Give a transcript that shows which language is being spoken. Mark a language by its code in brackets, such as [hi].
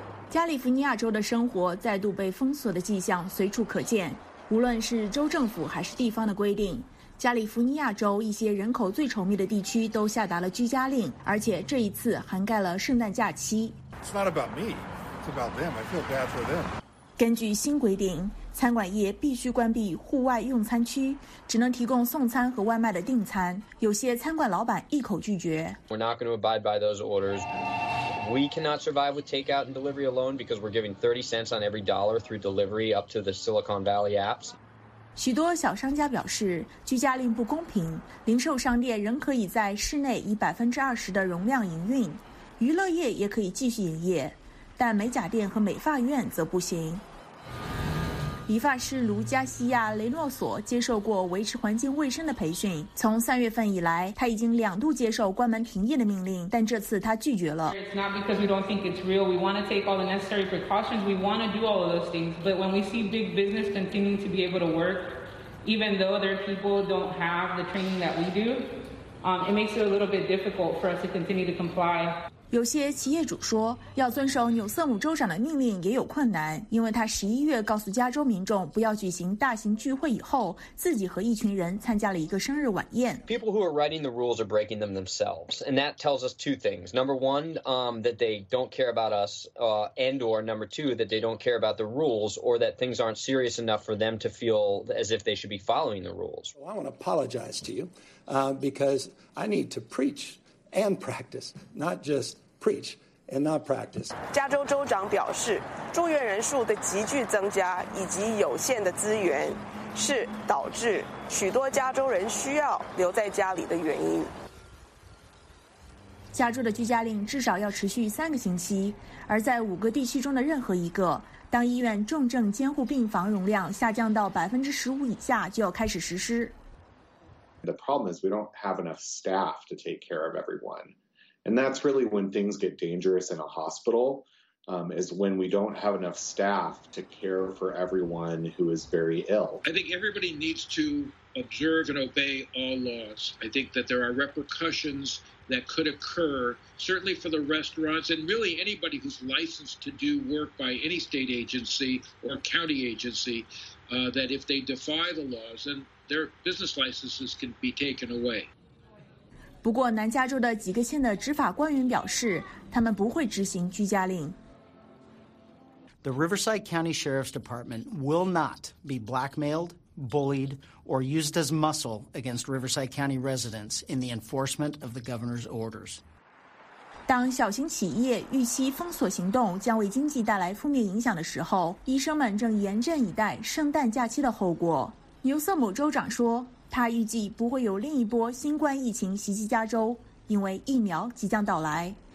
[zh] 加利福尼亚州的生活再度被封锁的迹象随处可见，无论是州政府还是地方的规定，加利福尼亚州一些人口最稠密的地区都下达了居家令，而且这一次涵盖了圣诞假期。 [en] It's not about me, it's about them. I feel bad for them. [zh] 根据新规定，餐馆业必须关闭户外用餐区，只能提供送餐和外卖的订餐。有些餐馆老板一口拒绝。 [en] We're not going to abide by those orders. We cannot survive with takeout and delivery alone because we're giving 30 cents on every dollar through delivery up to the Silicon Valley apps. [zh] 许多小商家表示，居家令不公平，零售商店仍可以在室内以20%的容量营运，娱乐业也可以继续营业，但美甲店和美发院则不行。理发师卢加西亚·雷诺索接受过维持环境卫生的培训。从三月份以来，他已经两度接受关门停业的命令，但这次他拒绝了。 [en] It's not because we don't think it's real. We want to take all the necessary precautions. We want to do all of those things. But when we see big business continuing to be able to work, even though their people don't have the training that we do, it makes it a little bit difficult for us to continue to comply. [zh] 有些企业主说，要遵守纽瑟姆州长的命令也有困难，因为他11月告诉加州民众不要举行大型聚会以后，自己和一群人参加了一个生日晚宴。 [en] People who are writing the rules are breaking them themselves, and that tells us two things. Number one, that they don't care about us, and/or number two, that they don't care about the rules, or that things aren't serious enough for them to feel as if they should be following the rules. Well, I want to apologize to you, because I need to preach. And practice, not just preach and not practice. [zh] 加州州长表示，住院人数的急剧增加以及有限的资源，是导致许多加州人需要留在家里的原因。加州的居家令至少要持续3个星期，而在5个地区中的任何一个，当医院重症监护病房容量下降到15%以下，就要开始实施。 [en] The problem is we don't have enough staff to take care of everyone. And that's really when things get dangerous in a hospital. is when we don't have enough staff to care for everyone who is very ill. I think everybody needs to observe and obey all laws. I think that there are repercussions that could occur, certainly for the restaurants and really anybody who's licensed to do work by any state agency or county agency, that if they defy the laws, then their business licenses can be taken away. [zh] 不过南加州的几个县的执法官员表示他们不会执行居家令。 [en] The Riverside County Sheriff's Department will not be blackmailed, bullied, or used as muscle against Riverside County residents in the enforcement of the governor's orders. [zh] 当小型企业预期封锁行动将为经济带来负面影响的时候，医生们正严阵以待圣诞假期的后果。牛瑟姆州长说，他预计不会有另一波新冠疫情袭击加州，因为疫苗即将到来。